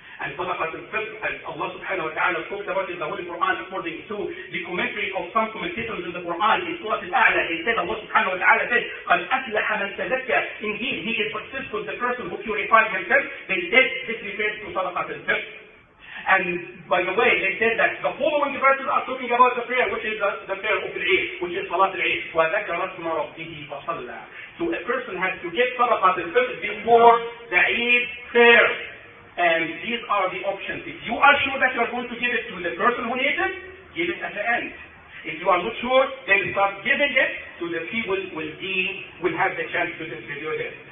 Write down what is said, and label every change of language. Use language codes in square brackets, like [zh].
[en] And sadaqat al-fitr, as Allah subhanahu wa ta'ala talks about in the Holy Quran according to the commentary of some commentators in the Quran in Surah Al-A'la, he said Allah subhanahu wa ta'ala said, [ar] قَدْ أَفْلَحَ مَنْ تَزَكَّى. [en] Indeed, he is successful, the person who purified himself, they said this refers to sadaqat al-fitr. And by the way, they said that the following verses are talking about the prayer, which is the prayer of [ar] العيد, [en] which is [ar] صلاه العيد, وذكر اسم ربه فصلى. [en] So a person has to get صدقه الفطر before the Eid prayer, and these are the options. If you are sure that you are going to give it to the person who needs it, give it at the end. If you are not sure, then start giving it to the people who will have the chance to distribute it.